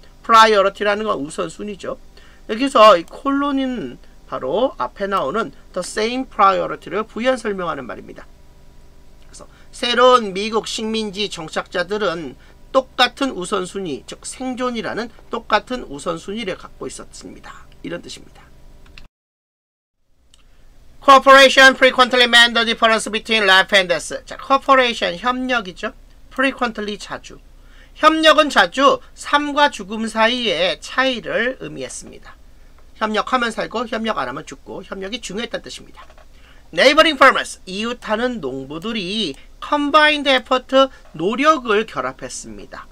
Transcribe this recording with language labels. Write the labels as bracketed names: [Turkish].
[Korean] priority라는 건 우선순위죠. 여기서 이 콜론인 바로 앞에 나오는 [English] the same priority [Korean] 를 부연 설명하는 말입니다. 그래서 새로운 미국 식민지 정착자들은 똑같은 우선순위, 즉 생존이라는 똑같은 우선순위를 갖고 있었습니다. 이런 뜻입니다. [English] Corporation frequently meant the difference between life and death. [Korean] 자, corporation 협력이죠. frequently 자주. 협력은 자주 삶과 죽음 사이의 차이를 의미했습니다. 협력하면 살고 협력 안 하면 죽고 협력이 중요했다는 뜻입니다. [English] Neighboring farmers, [Korean] 이웃하는 농부들이 [English] combined effort, [Korean] 노력을 결합했습니다.